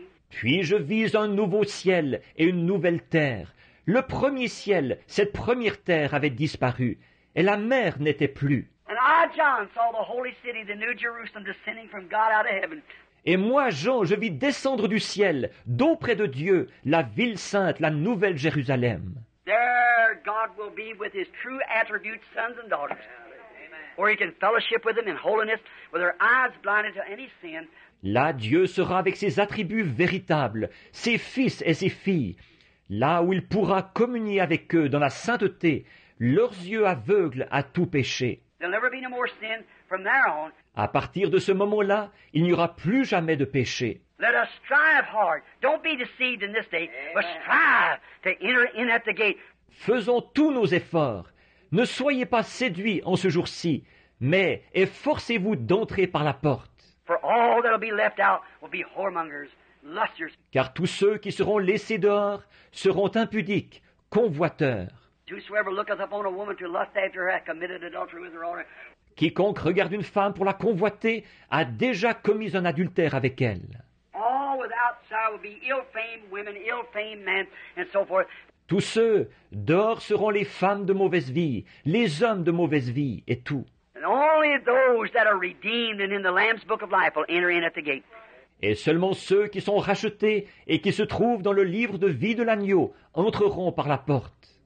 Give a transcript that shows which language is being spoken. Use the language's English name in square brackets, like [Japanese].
[French] Puis je vis un nouveau ciel et une nouvelle terre. Le premier ciel, cette première terre avait disparu, et la mer n'était plus. [English] And I, John, saw the holy city, the new Jerusalem, descending from God out of heaven. [French] Et moi, Jean, je vis descendre du ciel, d'auprès de Dieu, la ville sainte, la nouvelle Jérusalem. [English] There God will be with his true attributes, sons and daughters. Or he can fellowship with them in holiness, with their eyes blinded to any sin. [French] Là, Dieu sera avec ses attributs véritables, ses fils et ses filles. Là où il pourra communier avec eux dans la sainteté, leurs yeux aveugles à tout péché. [English] There'll never be no more sin from there on. [French] À partir de ce moment-là, il n'y aura plus jamais de péché. [English] Let us strive hard. Don't be deceived in this day, but strive to enter in at the gate. [French] Faisons tous nos efforts. Ne soyez pas séduits en ce jour-ci, mais efforcez-vous d'entrer par la porte. [English] For all that'll be left out will be whoremongers, lusters. [French] Car tous ceux qui seront laissés dehors seront impudiques, convoiteurs. [English] Whosoever looketh upon a woman to lust after her hath committed adultery with her already. [French] Quiconque regarde une femme pour la convoiter a déjà commis un adultère avec elle. [English] All without shall be ill-famed women, ill-famed men, and so forth. [French] Tous ceux dehors seront les femmes de mauvaise vie, les hommes de mauvaise vie et tout. [English] And only those that are redeemed and in the Lamb's book of life will enter in at the gate. [French] Et seulement ceux qui sont rachetés et qui se trouvent dans le livre de vie de l'agneau entreront par la porte.